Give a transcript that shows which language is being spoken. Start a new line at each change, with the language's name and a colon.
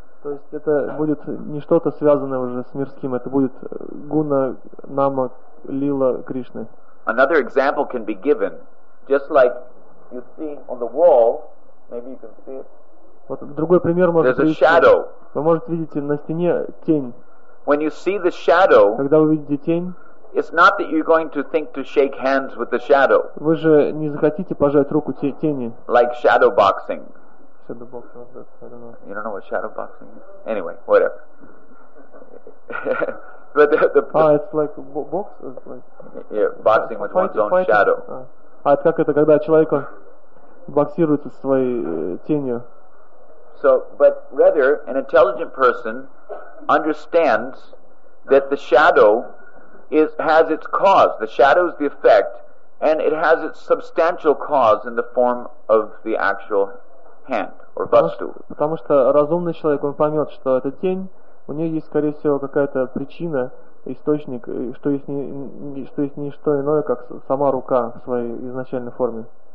Russian: То есть это будет не что-то связанное уже с мирским, это будет гуна, нама, лила, Кришны.
English: Another example can be given, just like you see on the wall, maybe you can see it.
Russian: Вот другой пример можно видеть.
English: There's a shadow.
Russian: Вы можете видеть на стене тень.
English: When you see the shadow,
Russian: когда вы видите тень,
English: it's not that you're going to think to shake hands with the shadow.
Russian: Вы же не захотите пожать руку тени.
English: Like shadow boxing. shadow boxing is that? I don't know. You don't know what shadow boxing is? Anyway, whatever. But the ah, it's like box, it's like yeah, boxing with one's own fighting. Shadow.
Russian: А это как это, когда человек он боксирует со своей тенью?
English: So, but rather, an intelligent person understands that the shadow is has its cause. The shadow is the effect, and it has its substantial cause in the form of the actual hand or vastu.
Russian: Потому что разумный человек он поймет, что эта тень у нее есть, скорее всего, какая-то причина, источник, что есть не что иное, как сама рука в своей изначальной форме.